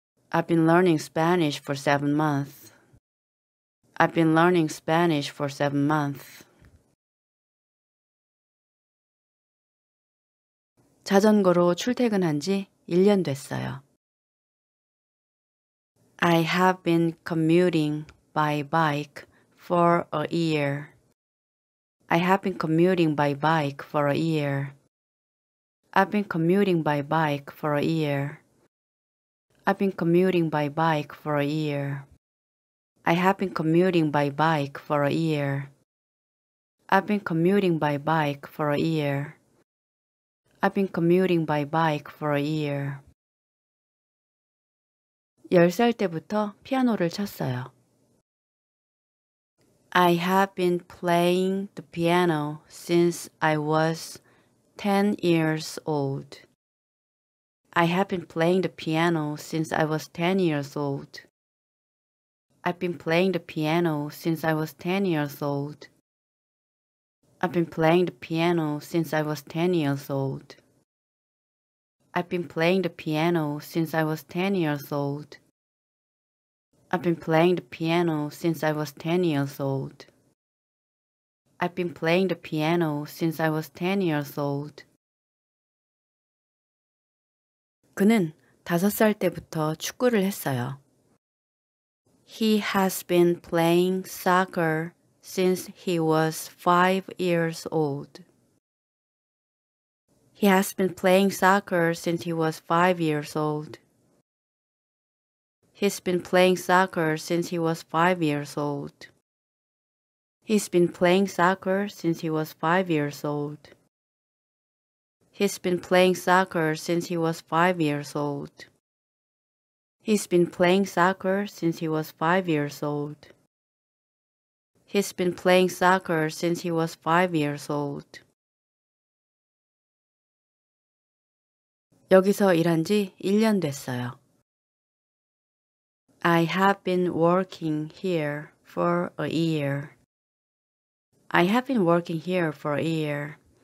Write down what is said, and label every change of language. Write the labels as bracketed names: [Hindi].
[English] I've been learning Spanish for 7 months. I've been learning Spanish for 7 months. [Korean] 자전거로 출퇴근한 지 1년 됐어요. [English] I have been commuting by bike for a year. I have been commuting by bike for a year. I've been commuting by bike for a year. I've been commuting by bike for a year. I have been commuting by bike for a year. I've been commuting by bike for a year. I've been commuting by bike for a year. [Korean] 10살 때부터 피아노를 쳤어요. [English] I have been playing the piano since I was 10 years old. I have been playing the piano since I was 10 years old. I've been playing the piano since I was 10 years old. I've been playing the piano since I was 10 years old. I've been playing the piano since I was 10 years old. I've been playing the piano since I was 10 years old. I've been playing the piano since I was 10 years old. [Korean] 그는 다섯 살 때부터 축구를 했어요. [English] He has been playing soccer since he was 5 years old. He has been playing soccer since he was 5 years old. He's been playing soccer since he was 5 years old. He's been playing soccer since he was 5 years old. He's been playing soccer since he was 5 years old. He's been playing soccer since he was 5 years old. He's been playing soccer since he was 5 years old. [Korean] 여기서 일한 지 1년 됐어요. [English] I have been working here for a year. I have been working here for a year.